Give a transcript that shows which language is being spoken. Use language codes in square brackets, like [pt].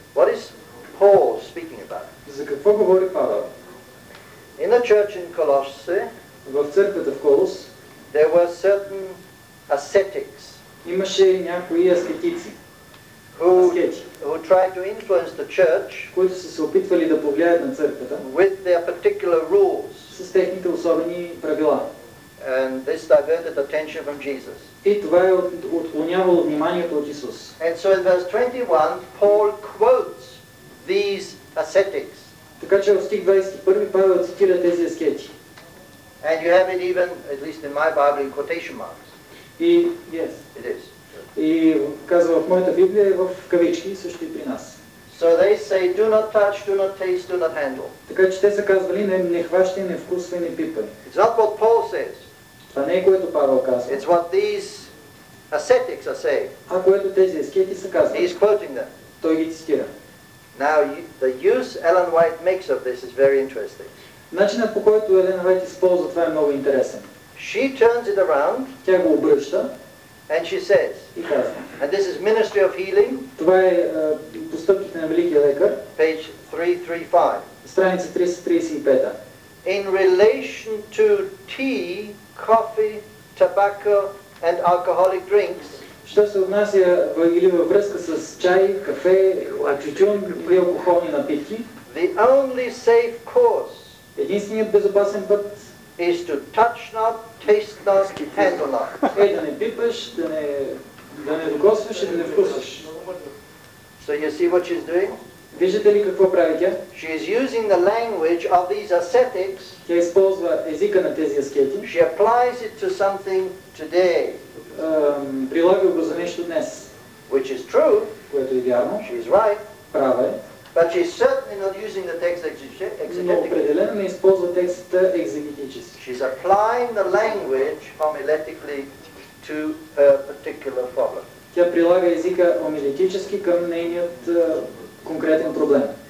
[en] What is Paul speaking about? [bg] За какво говори Павел? [en] In the church in Colossae, [bg] в църквата в Колос, [en] there were certain ascetics. [bg] Имаше някои аскетици. [en] Who tried to influence the church? [bg] Които са се опитвали да повлияят на църквата. [en] With their particular rules. [bg] С техните особени правила. [en] And this diverted attention from Jesus. [bg] И това е отклонявало вниманието от Исус. [en] And so in verse 21, Paul quotes these ascetics. [bg] Така че в стих 21 Павел цитира тези аскети. [en] And you have it even, at least in my Bible, in quotation marks. [bg] И, [en] yes. It is. [bg] И казва в моята Библия в кавички, също и при нас. [en] So they say, do not touch, do not taste, do not handle. [bg] Така че те са казвали, не хващай, не вкусвай, не пипай. [en] It's not what Paul says. [bg] Това не е, което Павел казва. [en] It's what these ascetics are saying. [bg] А което тези аскети са казвали. [en] He's quoting them. [bg] Той ги цитира. [en] Now, the use Ellen White makes of this is very interesting. [bg] Начинът, по който Елена Вайт използва това, е много интересен. [en] She turns it around. [bg] Тя го обръща. [en] And she says, and this is ministry of healing. [bg] Това е постъпките на великия лекар. [en] Page 335. [bg] Страница 335. [en] In relation to tea, coffee, tobacco and alcoholic drinks. [bg] Що се отнася или във връзка с чай, кафе, тютюн и алкохолни напитки? [en] The only safe course. [bg] Единственият безопасен път. [en] Is to touch not, taste not, handle not. [bg] Е, да не пипаш, да не докосваш и да не вкусваш. [en] So you see what she's doing? [bg] Виждате ли какво прави тя? [en] She is using the language of these ascetics. [bg] Тя използва езика на тези аскети. [en] She applies it to something today. [bg] Прилага го за нещо днес. [en] Which is true. [bg] Което е вярно. [en] She is right. [bg] Права е. [en] But she's certainly not using the text exegetically. [bg] Но определено не използва текста екзегетически. [en] She's applying the language homiletically to her particular problem. [bg] Тя прилага езика омилетически към нейният конкретен проблем.